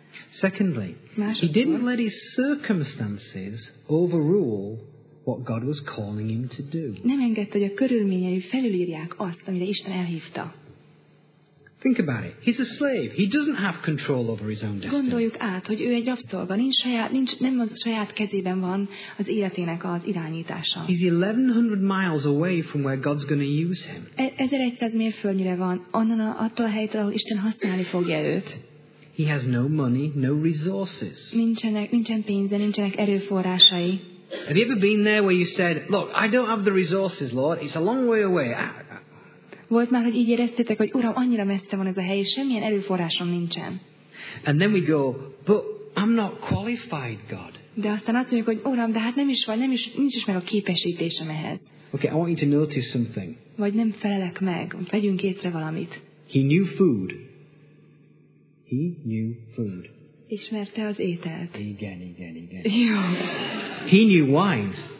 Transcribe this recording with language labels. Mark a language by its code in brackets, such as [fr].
[en] Secondly, he didn't let his circumstances overrule what God was calling him to do. [hu] Nem engedte, hogy a körülményei felülírják azt, amire Isten elhívta. [en] Think about it. He's a slave. He doesn't have control over his own destiny. [hu] Gondoljuk át, hogy ő egy rabszolga, nem a saját kezében van az életének az irányítása. [en] He's 1100 miles away from where God's going to use him. [hu] 1100 mérföldnyire van onnan, attól a helytől, ahol Isten használni fogja őt. [en] He has no money, no resources. [hu] Nincsen pénze, nincsenek erőforrásai. [en] Have you ever been there where you said, "Look, I don't have the resources, Lord. It's a long way away." [hu] Volt már, hogy így éreztétek, hogy Uram, annyira messze van ez a hely, és semmilyen erőforrásom nincsen. [en] And then we go, "But I'm not qualified, God." [hu] De aztán azt mondjuk, hogy Uram, de hát nincs is meg a képesítésem ehhez. [en] Okay, I want you to notice something. [hu] Vagy nem felelek meg, vegyünk észre valamit. [en] He knew food. He knew food. [hu] Ismerte az ételt. [en] Igen. He knew wine.